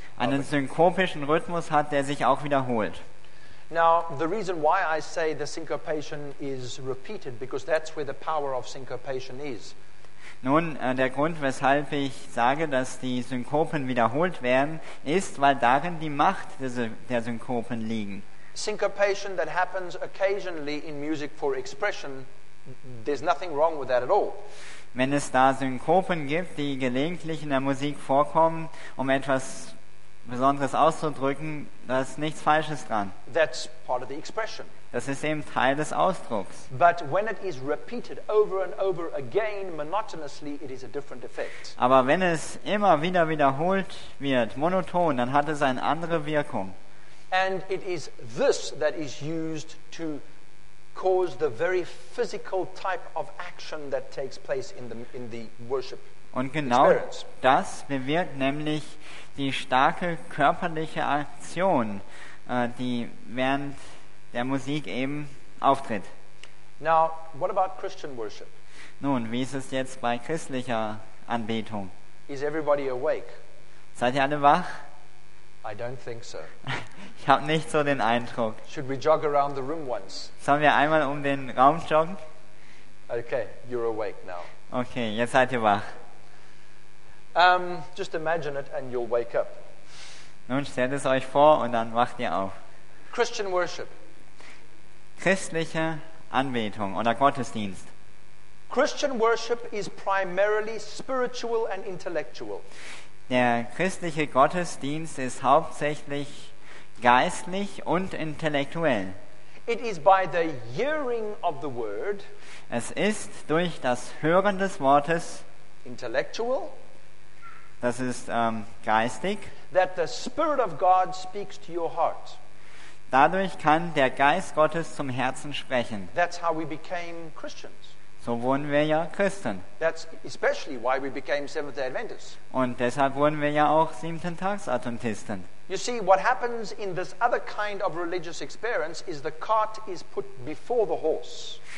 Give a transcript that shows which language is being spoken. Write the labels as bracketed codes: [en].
[de] Einen synkopischen Rhythmus hat, der sich auch wiederholt. [en] Now the reason why I say the syncopation is repeated, because that's where the power of syncopation is. [de] Nun, der Grund, weshalb ich sage, dass die Synkopen wiederholt werden, ist, weil darin die Macht der Synkopen liegen. [en] Syncopation that happens occasionally in music for expression, there's nothing wrong with that at all. [de] Wenn es da Synkopen gibt, die gelegentlich in der Musik vorkommen, um etwas Besonderes auszudrücken, da ist nichts Falsches dran. [en] That's part of the expression. [de] Das ist eben Teil des Ausdrucks. [en] But when it is repeated over and over again monotonously, it is a different effect. [de] Aber wenn es immer wieder wiederholt wird, monoton, dann hat es eine andere Wirkung. [en] And it is this that is used to cause the very physical type of action that takes place in the worship. [de] Und genau das bewirkt nämlich die starke körperliche Aktion, die während der Musik eben auftritt. [en] Now, what about Christian worship? [de] Nun, wie ist es jetzt bei christlicher Anbetung? [en] Is everybody awake? [de] Seid ihr alle wach? [en] I don't think so. [de] Ich habe nicht so den Eindruck. [en] Should we jog around the room once? [de] Sollen wir einmal um den Raum joggen? [en] Okay, you're awake now. [de] Okay, jetzt seid ihr wach. [en] Just imagine it and you'll wake up. [de] Nun stellt es euch vor und dann wacht ihr auf. [en] Christian worship. [de] Christliche Anbetung oder Gottesdienst. [en] Christian worship is primarily spiritual and intellectual. [de] Der christliche Gottesdienst ist hauptsächlich geistlich und intellektuell. [en] It is by the hearing of the word. [de] Es ist durch das Hören des Wortes. [en] Intellectual. [de] Das ist geistig. [en] That the Spirit of God speaks to your heart. [de] Dadurch kann der Geist Gottes zum Herzen sprechen. [en] That's how we became Christians. [de] So wurden wir ja Christen. [en] That's especially why we became Seventh-day Adventists. [de] Und deshalb wurden wir ja auch Siebenten-Tags-Adventisten. [en] You see, what happens in this other kind of religious experience is the cart is put before the horse.